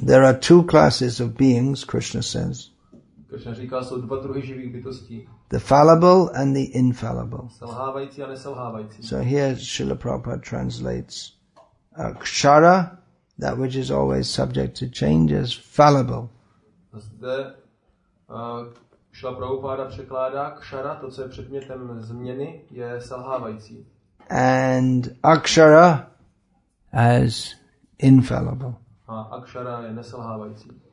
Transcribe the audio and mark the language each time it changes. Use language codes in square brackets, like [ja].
[en] There are two classes of beings, Krishna says. [cs] Krishna říká, jsou dva druhy živých bytostí. [en] The fallible and the infallible. [cs] Selhávající a neselhávající. [en] So here Srila Prabhupada translates kshara, that which is always subject to change, as fallible. [cs] Zde Srila Prabhupada překládá kshara, to co je předmětem změny, je selhávající. [en] And akshara as infallible. [cs] A akshara je neselhávající.